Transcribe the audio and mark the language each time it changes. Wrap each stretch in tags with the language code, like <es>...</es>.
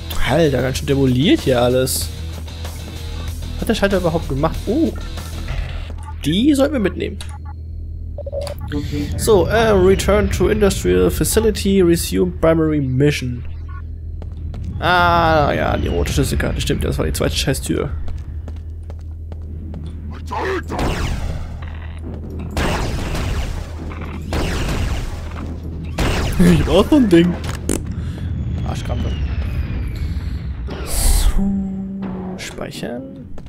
<de>Alter, ganz schön demoliert hier alles. Hat der Schalter überhaupt gemacht? Oh, die sollten wir mitnehmen.</de> <en>So, return to industrial facility, resume primary mission.</en> <de>Ah, ja, die rote Schlüsselkarte. Stimmt, das war die zweite Scheißtür. Ich brauch so ein Ding. Arschkrampe. So, speichern.</de>